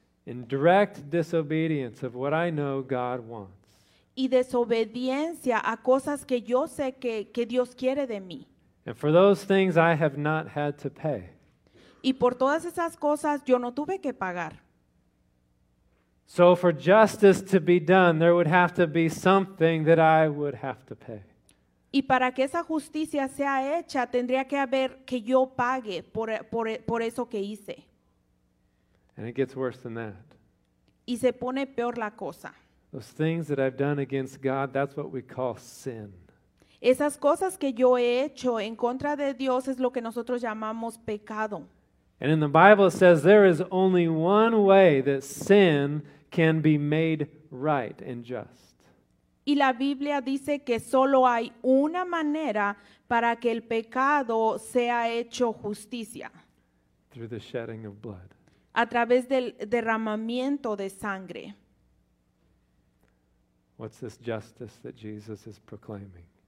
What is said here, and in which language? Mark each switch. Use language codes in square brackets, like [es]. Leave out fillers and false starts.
[en] In direct disobedience of what I know God wants. [es] Y desobediencia a cosas que yo sé que Dios quiere de mí. [en] And for those things I have not had to pay. [es] Y por todas esas cosas yo no tuve que pagar. [en] So for justice to be done, there would have to be something that I would have to pay. [es] Y para que esa justicia sea hecha, tendría que haber que yo pague por eso que hice. [en] And it gets worse than that. [es] Y se pone peor la cosa. [en] Those things that I've done against God, that's what we call sin. [es] Esas cosas que yo he hecho en contra de Dios es lo que nosotros llamamos pecado. [en] And in the Bible it says there is only one way that sin can be made right and just. [es] Y la Biblia dice que solo hay una manera para que el pecado sea hecho justicia. [en] Through the shedding of blood. [es] A través del derramamiento de sangre. [en] What's this justice that Jesus is proclaiming?